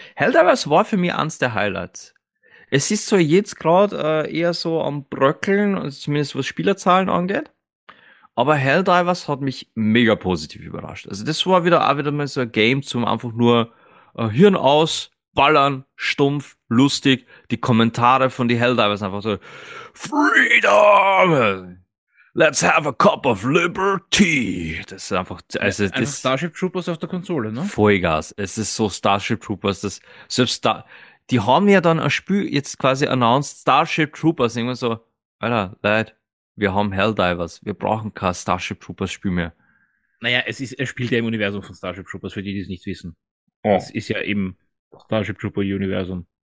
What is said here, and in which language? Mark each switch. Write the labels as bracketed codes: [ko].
[de] Helldivers war für mich eins der Highlights. Es ist so jetzt gerade eher so am Bröckeln, zumindest was Spielerzahlen angeht. Aber Helldivers hat mich mega positiv überrascht. Also das war wieder mal so ein Game zum einfach nur Hirn aus, ballern, stumpf, lustig, die Kommentare von die Helldivers einfach so, Freedom! [en] Let's have a cup of liberty! [de] Das ist einfach, also, ja, einfach das Starship Troopers auf der Konsole, ne? Vollgas, es ist so Starship Troopers, das, selbst da, die haben ja dann ein Spiel jetzt quasi announced, Starship Troopers, irgendwie so, Alter, Leute, wir haben Helldivers, wir brauchen kein Starship Troopers Spiel mehr. Naja, es spielt ja im Universum von Starship Troopers, für die, die es nicht wissen. Das ist ja im Starship Trooper Universum.